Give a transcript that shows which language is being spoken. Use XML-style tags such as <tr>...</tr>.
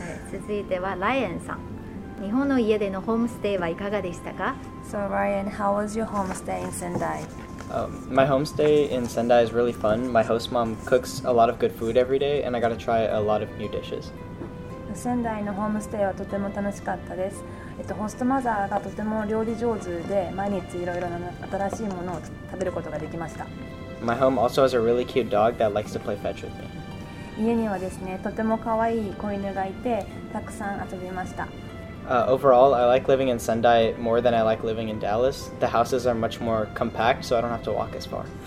<ja>続いてはライアンさん。日本の家でのホームステイはいかがでしたか?</ja> <en>So Ryan, how was your home stay in Sendai? My homestay in Sendai is really fun. My host mom cooks a lot of good food every day, and I got to try a lot of new dishes.</en> <ja>Sendai のホームステイはとても楽しかったです。ホストマザーがとても料理上手で、毎日いろいろな新しいものを食べることができました。</ja> <en>My home also has a really cute dog that likes to play fetch with me.</en> <ja>家にはですね、とても可愛い子犬がいて、たくさん遊びました。</ja> <en>Overall, I like living in Sendai more than I like living in Dallas. The houses are much more compact, so I don't have to walk as far.</en>